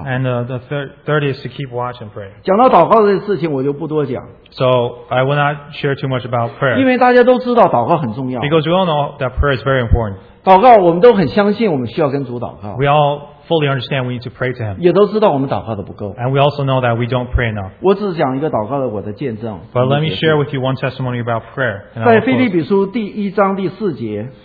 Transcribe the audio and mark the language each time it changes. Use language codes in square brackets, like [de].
[en] And the third is to keep watch and pray. [zh] 讲到祷告的事情我就不多讲。 [en] So I will not share too much about prayer. [zh] 因为大家都知道祷告很重要。 [en] Because we all know that prayer is very important. [zh] 祷告我们都很相信我们需要跟主祷告。 [en] We all fully understand we need to pray to him. [zh] 也都知道我们祷告的不够。 [en] And we also know that we don't pray enough. [zh] 我只是讲一个祷告的我的见证。 [en] But let me share with you one testimony about prayer. [zh] 在腓立比书第一章第四节。